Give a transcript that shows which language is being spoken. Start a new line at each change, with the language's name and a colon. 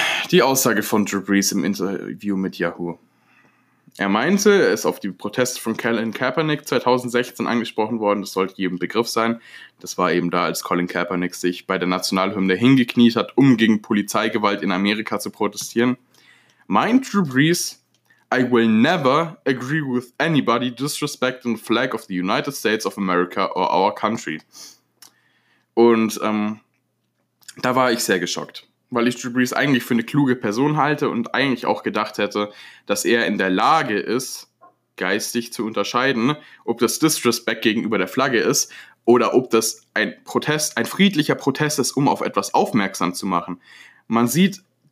German: Die Aussage von Drew Brees im Interview mit Yahoo. Er meinte, er ist auf die Proteste von Colin Kaepernick 2016 angesprochen worden, das sollte jedem Begriff sein. Das war eben da, als Colin Kaepernick sich bei der Nationalhymne hingekniet hat, um gegen Polizeigewalt in Amerika zu protestieren.
English: Meint Drew Brees, "I will never agree with anybody disrespecting the flag of the United States of America or our country."
German: Und da war ich sehr geschockt, weil ich Drew Brees eigentlich für eine kluge Person halte und eigentlich auch gedacht hätte, dass er in der Lage ist, geistig zu unterscheiden, ob das Disrespect gegenüber der Flagge ist oder ob das ein Protest, ein friedlicher Protest ist, um auf etwas aufmerksam zu machen. Man sieht